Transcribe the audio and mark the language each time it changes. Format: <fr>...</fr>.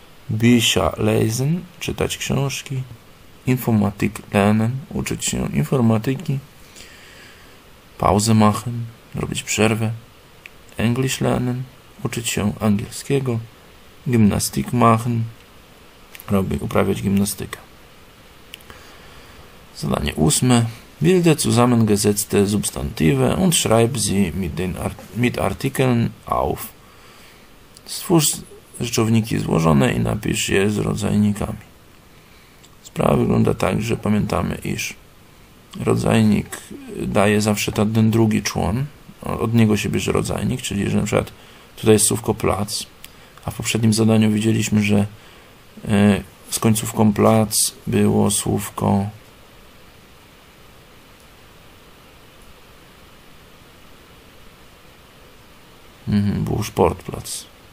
<de>Bücher lesen,</de> <pl>czytać książki.</pl> <de>Informatik lernen,</de> <pl>uczyć się informatyki.</pl> <de>Pause machen,</de> <pl>robić przerwę.</pl> <de>Englisch lernen,</de> <pl>uczyć się angielskiego,</pl> <de>gymnastik machen,</de> <pl>uprawiać gimnastykę. Zadanie ósme.</pl> <de>Bilde zusammengesetzte Substantive und schreib sie mit Artikeln auf.</de> <pl>Stwórz rzeczowniki złożone i napisz je z rodzajnikami. Sprawa wygląda tak, że pamiętamy, iż rodzajnik daje zawsze ten drugi człon. Od niego się bierze rodzajnik, czyli że na przykład tutaj jest słówko plac, a w poprzednim zadaniu widzieliśmy, że z końcówką plac było słówko był sportplac.</pl>